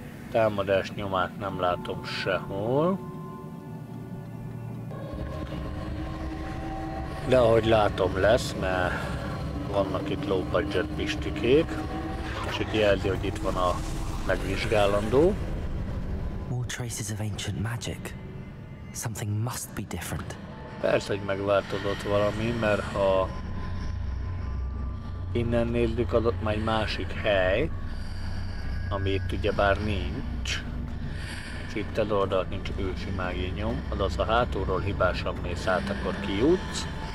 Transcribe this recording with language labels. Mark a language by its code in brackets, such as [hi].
[hu] Támadás nyomát nem látom sehol. De ahogy látom lesz, mert vannak itt [en] low budget [hu] pistikék, és itt jelzi, hogy itt van a megvizsgálandó. [en] More traces of ancient magic. Something must be different. [hu] Persze, hogy megváltozott valami, mert ha innen nézzük, az ott már egy másik hely, ami itt ugyebár nincs, és itt az oldalt nincs ősi mági nyom, azaz ha hátulról hibásan mész át, akkor kijutsz.